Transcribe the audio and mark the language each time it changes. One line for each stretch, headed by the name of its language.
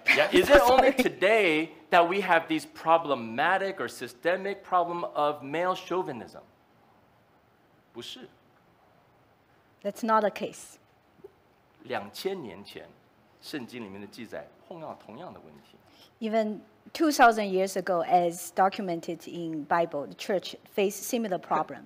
English: Is it only today that we have this problematic or systemic problem of male chauvinism?
Chinese: 不是。
English: That's not the case.
Chinese: 两千年前，圣经里面的记载碰到同样的问题。
English: Even 2,000 years ago, as documented in Bible, the church faced similar problems.